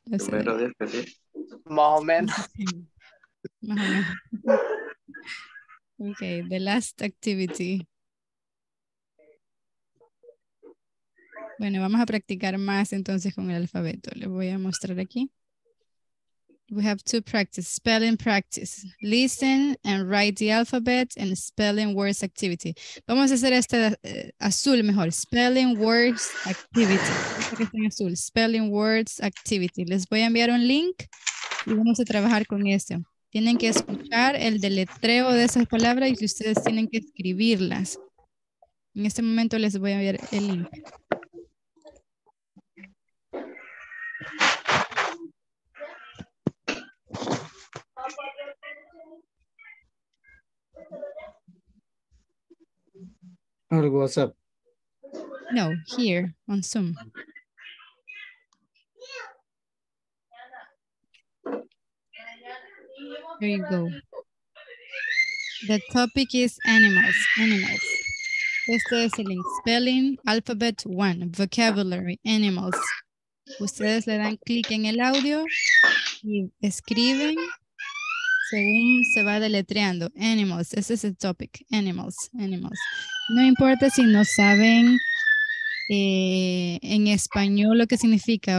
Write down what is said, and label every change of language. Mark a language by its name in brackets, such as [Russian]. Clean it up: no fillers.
[Spanish] Más o menos. Más o menos. [English] Okay, the last activity. [Spanish] Bueno, vamos a practicar más entonces con el alfabeto. Les voy a mostrar aquí. [English] We have two practices, spelling practice. Listen and write the alphabet and spelling words activity. [Spanish] Vamos a hacer esta azul mejor. [English] Spelling words activity. [Spanish] Esta que está en azul. [English] Spelling words activity. [Spanish] Les voy a enviar un link y vamos a trabajar con este. Tienen que escuchar el deletreo de esas palabras y ustedes tienen que escribirlas. En este momento les voy a enviar el link. [English] Or WhatsApp? No, here on Zoom. There you go. The topic is animals. Animals. This is the link. Spelling, alphabet one, vocabulary, animals. [Spanish] ustedes le dan clic en el audio y escriben según se va deletreando. Animals, ese es el topic. Animals, animals. No importa si no saben en español lo que significa.